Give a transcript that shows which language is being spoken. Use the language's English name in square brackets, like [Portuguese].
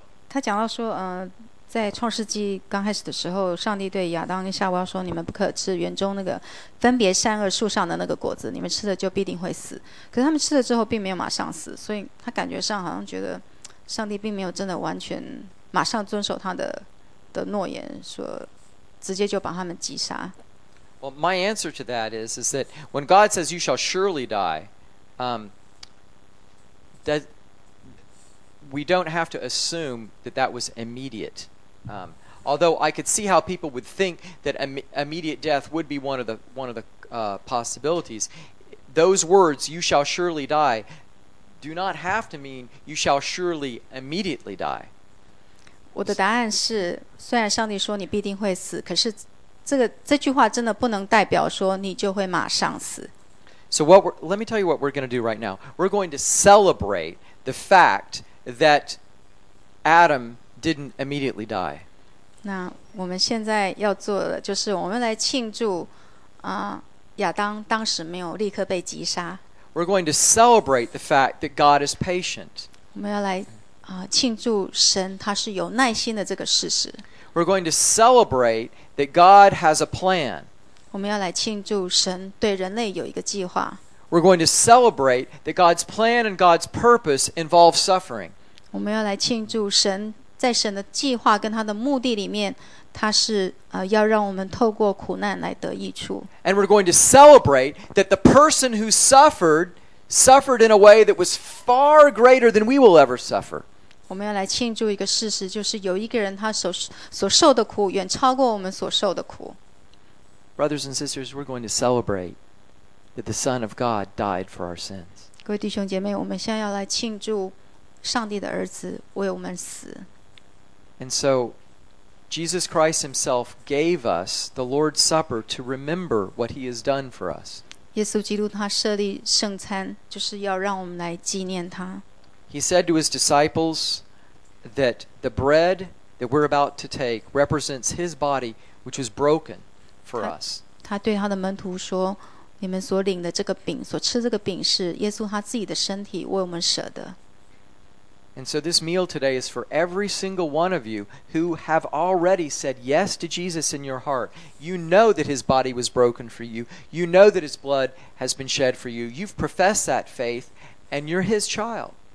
[Chinese] 他讲到说在创世纪刚开始的时候，上帝对亚当跟夏娃说：“你们不可吃园中那个分别善恶树上的那个果子，你们吃了就必定会死。” 可是他们吃了之后，并没有马上死，所以他感觉上好像觉得上帝并没有真的完全马上遵守他的诺言，说直接就把他们击杀。 [English] Well, my answer to that is that when God says you shall surely die, that we don't have to assume that that was immediate. Although I could see how people would think that immediate death would be one of the possibilities, those words, you shall surely die, do not have to mean you shall surely immediately die. [Chinese] 我的答案是，虽然上帝说你必定会死，可是这句话真的不能代表说你就会马上死。 [English] So what let me tell you what we're going to do right now. We're going to celebrate the fact that Adam didn't immediately die. [Chinese] 那我们现在要做的就是我们来庆祝亚当当时没有立刻被击杀。 [English] We're going to celebrate the fact that God is patient. [Chinese] 我们要来庆祝神他是有耐心的这个事实。 [English] We're going to celebrate that God has a plan. [Chinese] 我们要来庆祝神对人类有一个计划。 [English] We're going to celebrate that God's plan and God's purpose involve suffering. [Chinese] 我们要来庆祝神在神的计划跟他的目的里面，他是要让我们透过苦难来得益处。 [English] And we're going to celebrate that the person who suffered in a way that was far greater than we will ever suffer. [Chinese] 我们要来庆祝一个事实，就是有一个人他所受的苦远超过我们所受的苦。 [English] Brothers and sisters, we're going to celebrate that the Son of God died for our sins. [Chinese] 各位弟兄姐妹，我们现在要来庆祝上帝的儿子为我们死。 [English] And so, Jesus Christ himself gave us the Lord's Supper to remember what he has done for us. [Chinese] 耶稣基督他设立圣餐，就是要让我们来纪念他。 [English] He said to his disciples that the bread that we're about to take represents his body, which was broken for us. [Chinese] 他对他的门徒说：“你们所领的这个饼，所吃这个饼，是耶稣他自己的身体为我们舍的。” [English] And so this meal today is for every single one of you who have already said yes to Jesus in your heart. You know that his body was broken for you. You know that his blood has been shed for you. You've professed that faith, and you're his child.